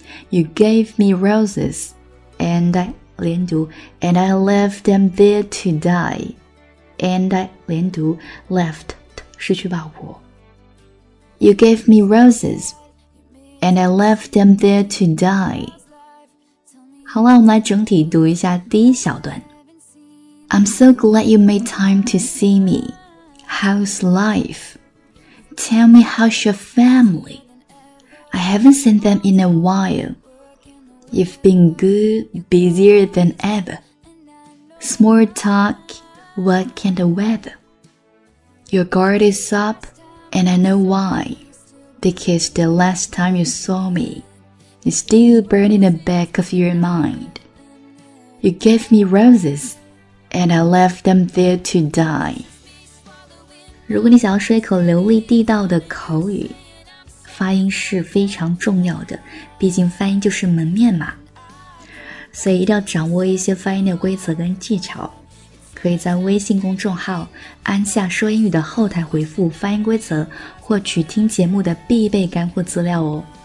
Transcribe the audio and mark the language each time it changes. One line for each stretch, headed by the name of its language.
English: You gave me roses, and I
Chinese: 连读
English: and I left them there to die.
Chinese: And I 连读 left 失去把握。
English: You gave me roses, and I left them there to die.
Chinese: 好了，我们来整体读一下第一小段。
English: I'm so glad you made time to see me. How's life? Tell me how's your family? I haven't seen them in a while. You've been good, busier than ever. Small talk, what can the weather? Your guard is up, and I know why. Because the last time you saw me, you still burned in the back of your mind. You gave me roses, and I left them there to die.
Chinese: 如果你想要说一口流利地道的口语，发音是非常重要的，毕竟发音就是门面嘛。所以一定要掌握一些发音的规则跟技巧。可以在微信公众号安夏说英语的后台回复发音规则，获取听节目的必备干货资料哦。